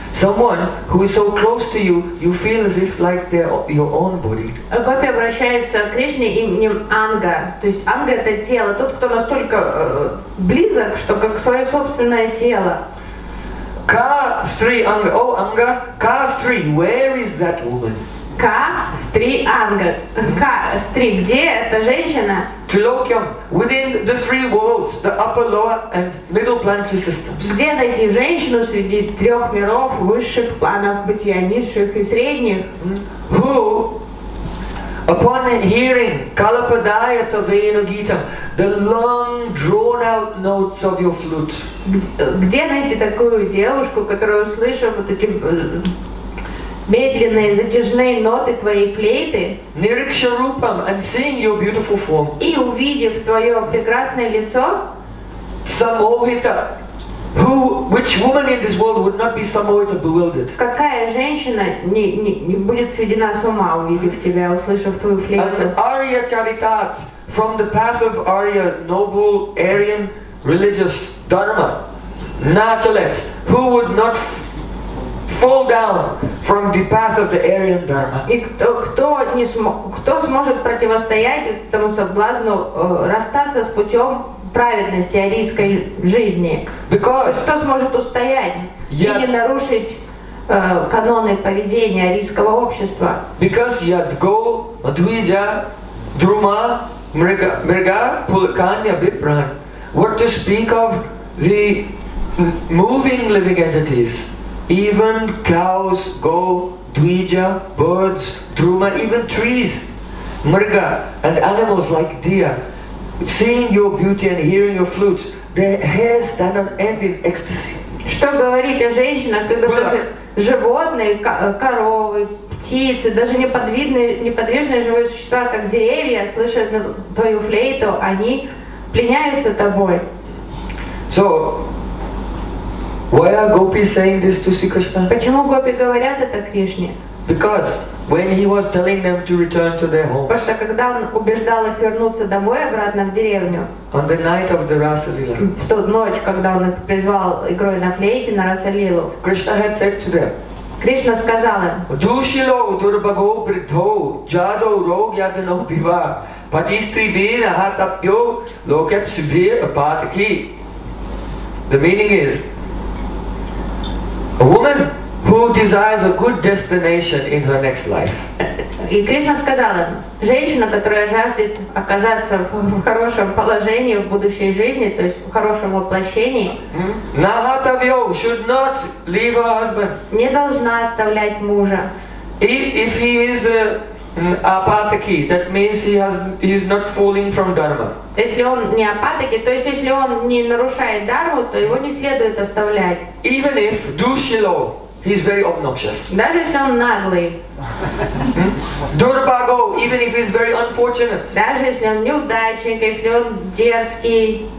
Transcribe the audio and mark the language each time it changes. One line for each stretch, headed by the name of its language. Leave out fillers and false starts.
English: Someone who is so close to you, you feel as if like they're your own body.
Russian: Gopi обращается к Кришне именем Анга. То есть Анга это тело. Тот, кто настолько близок, что как свое собственное тело.
Sanskrit: Ka stri Anga. Oh, Anga. Ka stri.
English: Where is that woman?
Sanskrit: Ka stri Anga. Ka stri.
Russian: Где эта женщина?
English: Trilokyam, within the three worlds, the upper, lower, and middle planetary systems.
Russian: Где найти женщину среди трех миров высших планов бытия, низших и средних?
English: Who, upon hearing Kalapadayata Venu Gita, the long drawn-out notes of your flute?
Russian: Где найти такую девушку, которая услышала вот эти медленные затяжные ноты твоей флейты?
English: Nirikshanupam, and seeing your beautiful form.
Russian: И увидев твое прекрасное лицо.
Sanskrit: Samohita.
English: Who, which woman in this world would not be samohita, bewildered?
Russian: Какая женщина не будет сведена с ума, увидев тебя, услышав твою флейту?
English: And Arya Charitat, from the path of Arya, noble Aryan religious dharma. Natalet, who would not fall down from the path of the Aryan Dharma.
Russian: И кто сможет противостоять этому соблазну расстаться с путем праведности арийской жизни?
English: Because
Russian: кто сможет устоять и не нарушить каноны поведения арийского общества?
English: Because
Sanskrit: Yadgo Advija Druma Mrga Pulkanya Bipran.
English: What to speak of the moving living entities? Even cows, goat, dvija, birds, druma, even trees, mrga, and animals like deer, seeing your beauty and hearing your flute, their hair stand on end in ecstasy.
Russian: Что говорить о женщинах, когда даже животные, коровы, птицы, даже неподвижные живые существа, как деревья, слышат твою флейту, они пленяются тобой.
English: So, why are gopis saying this to Sri Krishna?
Russian: Почему гопи говорят это Кришне?
English: Because when he was telling them to return to their homes.
Russian: Потому что когда он убеждал их вернуться домой обратно в деревню.
English: On the night of the Rasalila.
Russian: В ту ночь, когда он их призвал игрой на флейте на Расалилу.
English: Krishna had said to them.
Russian: Кришна сказал им.
Sanskrit: Душило дурбаго бритхо жадо рог ядно пива патистри бира хатапьо локепсибе патки.
English: The meaning is, a woman who desires a good destination in her next life.
Russian: И Кришна сказала, женщина, которая жаждет оказаться в хорошем положении в будущей жизни, то есть в хорошем воплощении,
English: Nahatavyo should not leave her husband.
Russian: Не должна оставлять мужа.
English: If he is apatiki, that means he's not falling from dharma.
Russian: Если он не апатаки, то есть если он не нарушает дарму, то его не следует оставлять.
English: Even if dushilo, he's very obnoxious.
Russian: Даже если он наглый.
English: Durbago, even if he's very unfortunate.
Russian: Даже если он неудачник, если он дерзкий.